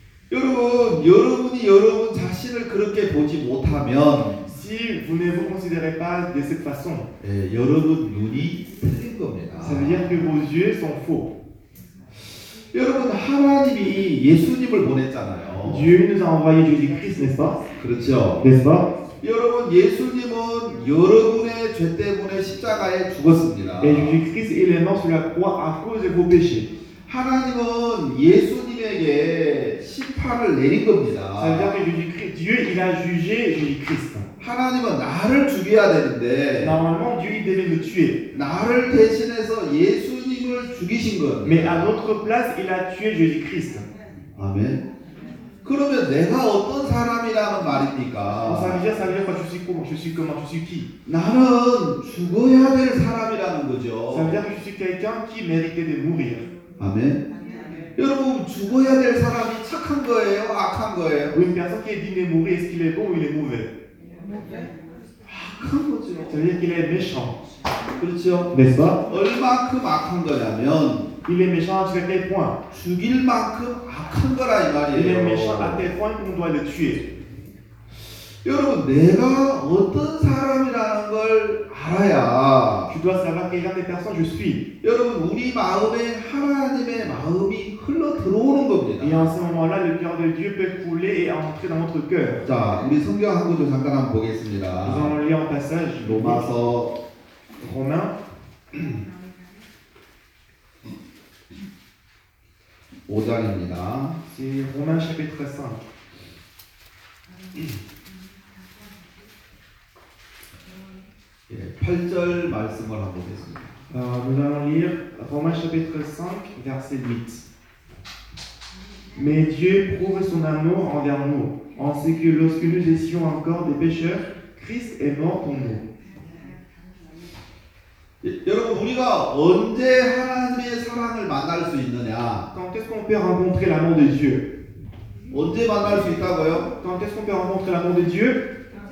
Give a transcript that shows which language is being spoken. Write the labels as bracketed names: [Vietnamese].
[French] Je [Korean] 여러분, 여러분이 여러분 자신을 그렇게 보지 못하면 [French] si vous ne vous considérez pas de cette façon, [Korean] 예, 여러분 눈이 틀린 겁니다. [French] Ça veut dire que vos yeux sont faux. [Korean] 여러분 하나님이 예수님을 보냈잖아요. [French] Dieu nous a envoyé Jésus-Christ, n'est-ce pas? [Korean] 그렇죠. [French] N'est-ce pas? [Korean] 여러분 예수님은 여러분의 죄 때문에 십자가에 죽었습니다. [French] Et Jésus-Christ est mort sur la croix à cause de vos péchés. [Korean] 하나님은 예수님에게 심판을 내린 겁니다. [French] Ça veut dire que Jésus-Christ, Dieu il a jugé Jésus-Christ. [Korean] 하나님은 나를 죽여야 되는데. [French] Normalement Dieu il devait me tuer. [Korean] 나를 대신해서 예수님을 죽이신 거예요. [French] Mais à notre place il a tué Jésus-Christ. [Korean] 아멘. 그러면 내가 어떤 사람이라는 말입니까? [French] Ça veut dire quoi, je suis qui? [Korean] 나는 죽어야 될 사람이라는 거죠. [French] Ça veut dire que je suis quelqu'un qui méritait de mourir. [Korean] 아멘. 아멘. 여러분 죽어야 될 사람이 착한 거예요, 악한 거예요? [French] Une personne qui est digne de mourir, est-ce qu'il est bon ou il est mauvais? [Korean] 악한 거죠. [French] Ça veut dire qu'il est méchant. [Korean] 그렇죠. 됐어? 얼마큼 악한 거냐면 [French] Il est méchant jusqu'à quel point? [Korean] 죽일 만큼 악한 거라 이 말이에요. [French] Il est méchant à tel point qu'on doit le tuer. [Korean] 여러분 내가 어떤 사람이라는 걸 알아야. [French] Tu dois savoir quel genre de personne je suis. [Korean] 여러분 우리 마음에 하나님의 마음이 흘러 들어오는 겁니다. [French] Et en ce moment-là, le cœur de Dieu peut couler et entrer dans notre cœur. [Korean] 자, 우리 성경 한 구절 잠깐 한번 보겠습니다. [French] Nous allons lire un passage. [Korean] 로마서 [French] Romains. [Korean] 5장입니다. [French] C'est Romains chapitre 5. [Korean] 예, 8절 말씀을 한번 보겠습니다. [French] Nous allons lire Romains chapitre 5, verset 8. Mais Dieu prouve son amour envers nous, en ce que lorsque nous étions encore des pécheurs, Christ est mort pour nous. [Korean] 여러분 우리가 언제 하나님의 사랑을 만날 수 있느냐? [French] Quand est-ce qu'on peut rencontrer l'amour de Dieu? [Korean] 언제 만날 수 있다고요? [French] Quand est-ce qu'on peut rencontrer l'amour de Dieu?